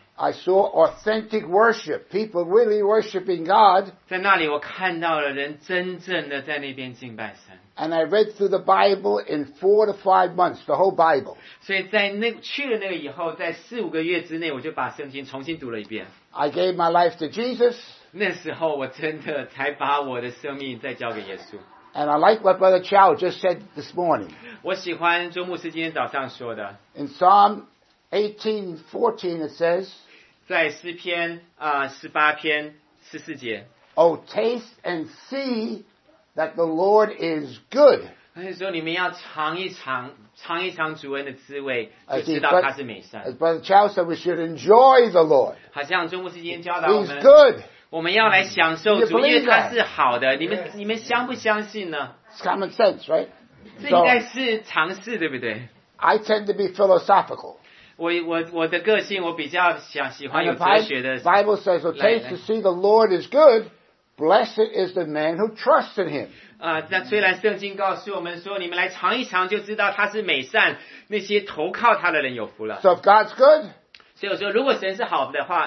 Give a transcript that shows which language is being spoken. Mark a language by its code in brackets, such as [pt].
[en] I saw authentic worship, people really worshiping God. [zh] 在那里我看到了人真正的在那边敬拜神。 [en] And I read through the Bible in 4 to 5 months, the whole Bible. [zh] 所以在那去了那个以后，在四五个月之内，我就把圣经重新读了一遍。 [en] I gave my life to Jesus. [zh] 那时候我真的才把我的生命再交给耶稣。 [en] And I like what Brother Chow just said this morning. [zh] 我喜欢周牧师今天早上说的。 [en] In Psalm 18:14 it says, [zh] 在诗篇十八篇十四节。 [en] Oh, taste and see. That the Lord is good. [zh] 他说你们要尝一尝，尝一尝主恩的滋味，就知道他是美善。 [en] As Brother Charles said, we should enjoy the Lord. [zh] 好像中牧师今天教导我们。 [en] He's good. [zh] 我们要来享受主，因为他是好的。你们相不相信呢？ [en] It's common sense, right? [zh] 这应该是常识，对不对？ [en] I tend to be philosophical. [zh] 我的个性，我比较喜欢有哲学的。 [en] Bible says, so taste to see the Lord is good. Blessed is the man who trusts in him. [zh] 那虽然圣经告诉我们说，你们来尝一尝就知道他是美善，那些投靠他的人有福了。 [en] So if God's good, [zh] 所以我说，如果神是好的话